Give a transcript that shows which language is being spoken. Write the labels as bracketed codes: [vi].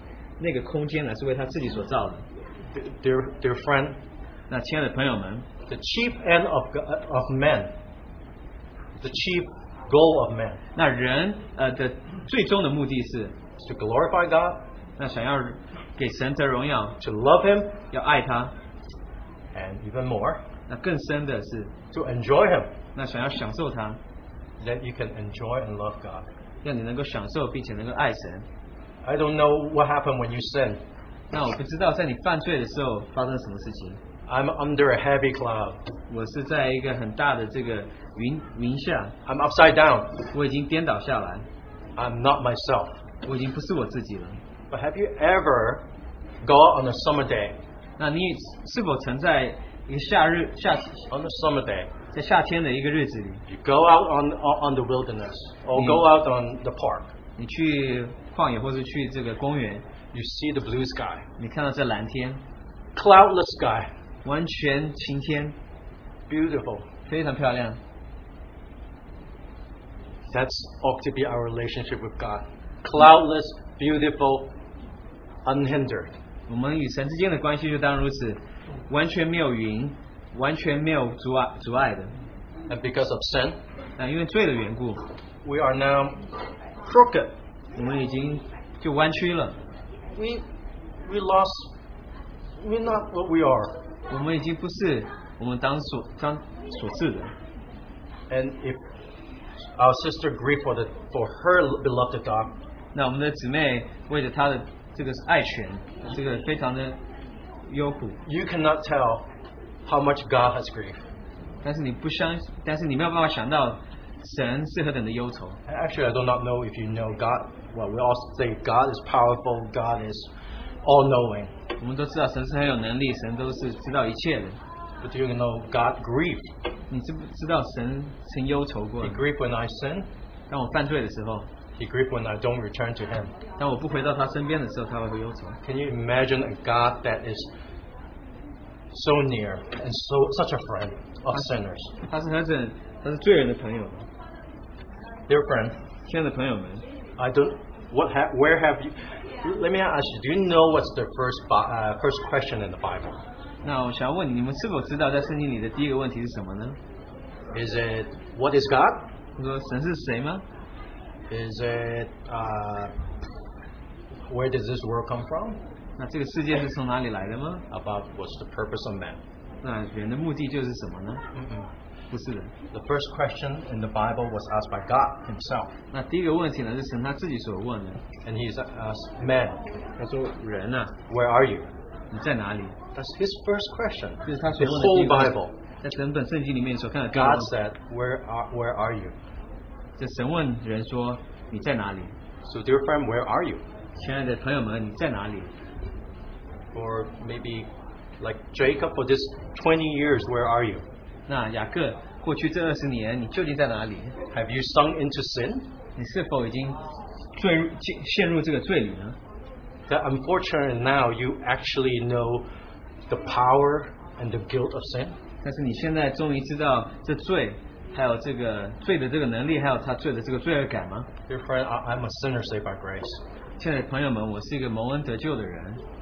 [zh] 那他是何等想要充满他所造的那个空间呢，是为他自己所造的。 [en] Dear friend, [zh] 那亲爱的朋友们, [en] the chief end of men, the chief goal of men, [zh] 那人, 最终的目的是, [en] to glorify God, [zh] 那想要给神得荣耀, [en] to love Him, [zh] 要爱他, [en] and even more, [zh] 那更深的是, [en] to enjoy Him, [zh] 那想要享受他, [en] that you can enjoy and love God. [zh] 让你能够享受并且能够爱神。 [en] I don't know what happened when you sin. [zh] 那我不知道在你犯罪的时候发生什么事情。 [en] I'm under a heavy cloud. [zh] 我是在一个很大的这个云下。 [en] I'm upside down. [zh] 我已经颠倒下来。 [en] I'm not myself. [zh] 我已经不是我自己了。 [en] But have you ever gone on a summer day? [zh] 那你是否曾在一个夏日夏天？ [en] On a summer day. [zh] 在夏天的一个日子里。 [en] You go out on the wilderness or go out on the park. [zh] 你去旷野或是去这个公园。 [en] You see the blue sky. [zh] 你看到这蓝天。 [en] Cloudless sky. [zh] 完全晴天, [en] beautiful, [zh] 非常漂亮。 [en] That's ought to be our relationship with God. Cloudless, beautiful, unhindered. [zh] 我们与神之间的关系就当如此, 完全没有云, 完全没有阻碍的。 [en] And because of sin, [zh] 那因为罪的缘故, [en] we are now crooked. [zh] 我们已经就弯曲了。 [en] We're not what we are. [zh] 我们已经不是我们当所赐的。 [en] And if our sister grieved for her beloved dog, [zh] 那我们的姊妹为着她的这个爱犬，这个非常的忧苦。 [en] You cannot tell how much God has grieved. [zh] 但是你没有办法想到 神是何等的忧愁。 [en] Actually, I do not know if you know God. Well, we all say God is powerful, God is all knowing. [zh] 我们都知道神是很有能力, 神都是知道一切的。 [en] But do you know God grieved? [zh] 你知不知道神曾忧愁过? [en] He grieved when I sin. [zh] 当我犯罪的时候, [en] He grieved when I don't return to Him. [zh] 当我不回到他身边的时候, 他会忧愁。 [en] Can you imagine a God that is so near and so such a friend of sinners? [zh] 他是罪人的朋友。 [en] Dear friend, [zh] 亲爱的朋友们, [en] I don't. Where have you? Let me ask you. Do you know what's the first question in the Bible? [zh] 那我想问你们是否知道在圣经里的第一个问题是什么呢? [en] Is it what is God? [zh] 你说神是谁吗? [en] Is it where does this world come from? [zh] 那这个世界是从哪里来的吗? [en] About what's the purpose of man? [zh] 那人的目的就是什么呢? [en] The first question in the Bible was asked by God Himself. [zh] 那第一个问题呢,是神他自己所问的。 [en] And He's asked man, [zh] 他说人啊, [en] where are you? [zh] 你在哪里? [en] That's His first question. [zh] 就是他所问的第一个问题, [en] the whole Bible. God said, where are you? [zh] 就神问人说, 你在哪里? [en] So, dear friend, where are you? [zh] 亲爱的朋友们, 你在哪里? [en] Or maybe like Jacob, for this 20 years, where are you? [zh] 那雅各,过去这20年,你究竟在哪里? [en] Have you sunk into sin? [zh] 你是否已经陷入这个罪里呢? [en] That unfortunately now you actually know the power and the guilt of sin. [zh] 但是你现在终于知道这罪,还有这个罪的这个能力,还有他罪的这个罪恶感吗? [en] Dear friend, I'm a sinner saved by grace. [zh] 亲爱的朋友们,我是一个蒙恩得救的人。